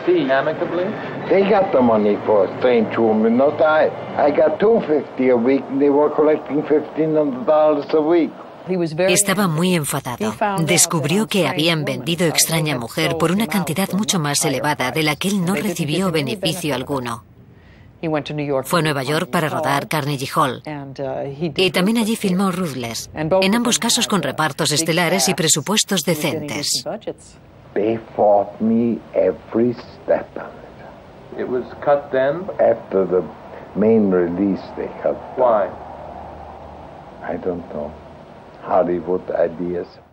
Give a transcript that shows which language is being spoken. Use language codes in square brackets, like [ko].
[en] Amicably? They got the money for a strange woman, not I. I got $250 a week and they were collecting $1,500 a week. [es] Estaba muy enfadado. Descubrió que habían vendido extraña mujer por una cantidad mucho más elevada de la que él no recibió beneficio alguno. Fue a Nueva York para rodar Carnegie Hall. Y también allí filmó Ruthless, en ambos casos con repartos estelares y presupuestos decentes. [en] They fought me every step of it. It was cut then? After the main release, they cut. Why? I don't know. Hollywood ideas.